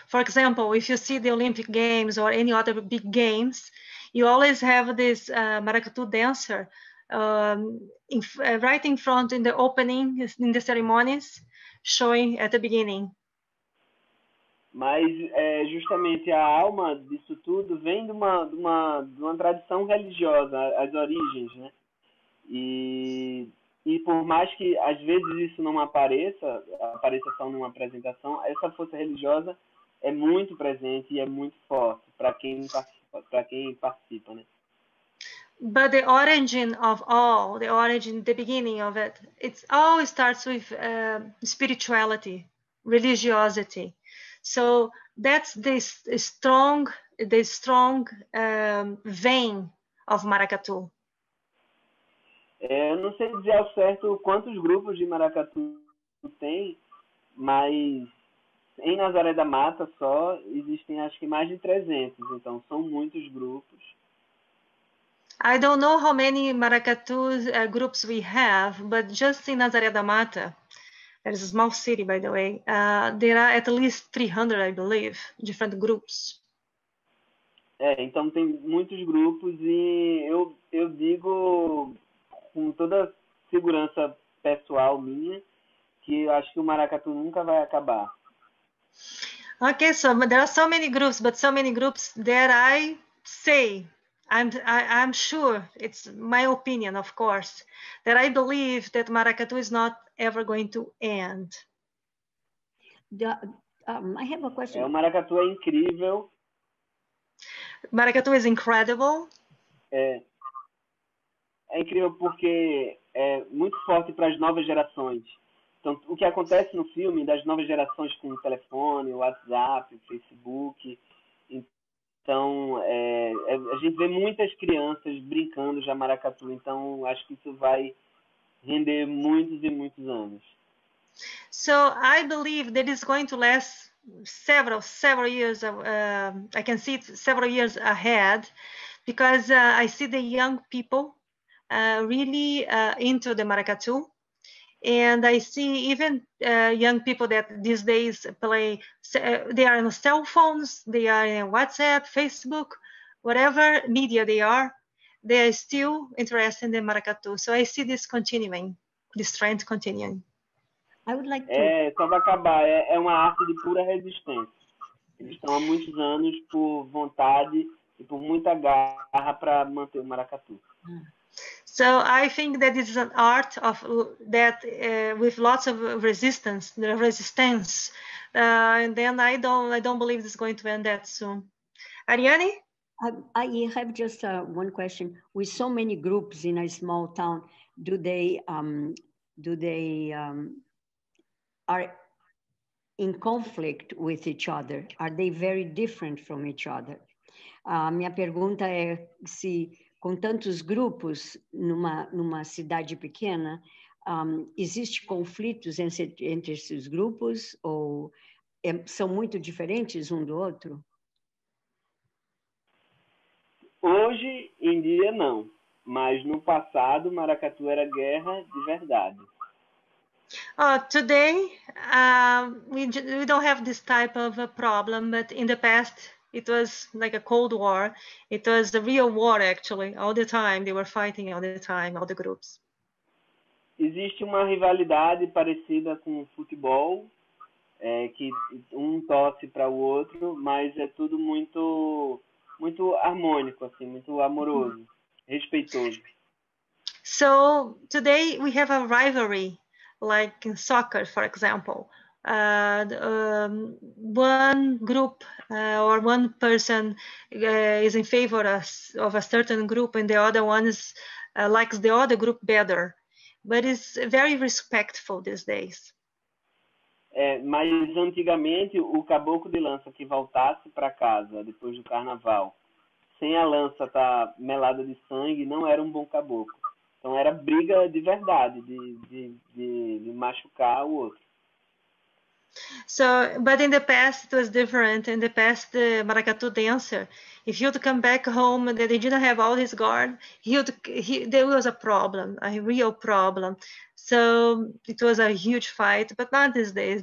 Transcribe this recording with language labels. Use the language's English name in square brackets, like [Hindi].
[English] For example, if you see the Olympic Games or any other big games, you always have this maracatu dancer right in front in the opening, in the ceremonies, showing at the beginning. [Portuguese] Mas é, justamente a alma disso tudo vem de uma tradição religiosa, as origens, né? E por mais que às vezes isso não apareça, apareça só numa apresentação, essa força religiosa é muito presente e é muito forte para quem participa, né? [English] But the origin of all, the origin, the beginning of it, it all starts with spirituality, religiosity. So that's the strong vein of maracatu. [Portuguese] Eu não sei dizer ao certo quantos grupos de maracatu tem, mas em Nazaré da Mata só existem acho que mais de 300, então são muitos grupos. [English] I don't know how many maracatu groups we have, but just in Nazaré da Mata, that is a small city, by the way, there are at least 300, I believe, different groups. [Portuguese] É, então tem muitos grupos e eu digo com toda a segurança pessoal minha que eu acho que o maracatu nunca vai acabar. [English] Okay, so there are so many groups that I say, I'm sure, it's my opinion, of course, that I believe that maracatu is not ever going to end. I have a question. [Portuguese] É, o maracatu é incrível. [English] Maracatu is incredible. [Portuguese] É incrível porque é muito forte para as novas gerações. Então, o que acontece no filme das novas gerações com o telefone, o WhatsApp, o Facebook. Então, a gente vê muitas crianças brincando já maracatu. Então, acho que isso vai render muitos e muitos anos. [English] So, I believe that it's going to last several years. I can see it several years ahead because I see the young people really into the maracatu. And I see even young people that these days play, they are on cell phones, they are in WhatsApp, Facebook, whatever media they are still interested in the maracatu. So I see this continuing, this trend continuing. I would like to... [Portuguese] Só vai acabar. É uma arte de pura resistência. Eles estão há muitos anos por vontade e por muita garra para manter o maracatu. [English] So I think that this is an art of that with lots of resistance, the resistance. And then I don't believe it's going to end that soon. Ariane? I have just one question. With so many groups in a small town, are in conflict with each other? Are they very different from each other? [Portuguese] Minha pergunta é se com tantos grupos numa cidade pequena, existe conflitos entre esses grupos ou são muito diferentes um do outro? Hoje em dia não, mas no passado maracatu era guerra de verdade. [English] Today we don't have this type of a problem, but in the past it was like a cold war. It was a real war, actually. All the time, they were fighting all the time, all the groups. [Portuguese] Existe uma rivalidade parecida com o futebol, que um torce para o outro, mas é tudo muito, muito harmônico, assim, muito amoroso, respeitoso. [English] So, today we have a rivalry, like in soccer, for example. One group or one person is in favor of a certain group and the other one is likes the other group better, but it's very respectful these days. [Portuguese] Mas antigamente o caboclo de lança que voltasse para casa depois do carnaval sem a lança tá melada de sangue não era um bom caboclo, então era briga de verdade de machucar o outro. [English] So, but in the past, it was different. In the past, the maracatu dancer, if you'd come back home and they didn't have all his guard, there was a problem, a real problem. So it was a huge fight, but not these days.